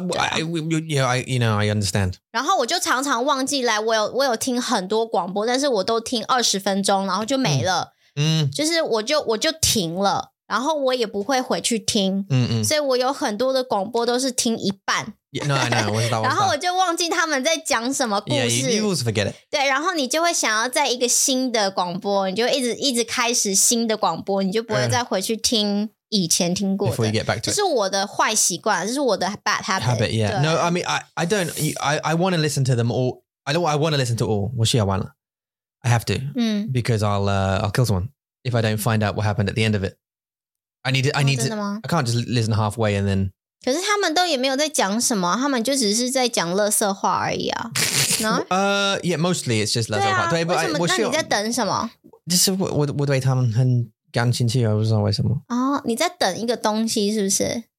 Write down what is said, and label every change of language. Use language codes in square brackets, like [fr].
[en] I understand. [zh] 然后我就常常忘记来，我有听很多广播，但是我都听二十分钟，然后就没了。就是我就停了，然后我也不会回去听。所以我有很多的广播都是听一半。 [en] Yeah, no, I know. What's that? And then I forget what they're talking about. Yeah, you always forget it. [zh] 对，然后你就会想要在一个新的广播，你就一直开始新的广播，你就不会再回去听以前听过的。 [en] Before you get back to it. [zh] 这是我的坏习惯，这是我的 bad habit. [en] Habit, yeah. No, I mean, I don't, I want to listen to them all. I want to listen to all. 我需要完了。 I have to. Because I'll kill someone if I don't find out what happened at the end of it. I need to, I can't just listen halfway and then... [zh] 可是他们都也没有在讲什么，他们就只是在讲垃圾话而已啊。 [en] Yeah, mostly it's just 垃圾话。对， [zh] 为什么？那你在等什么？就是我对他们很感兴趣，我不知道为什么。你在等一个东西是不是？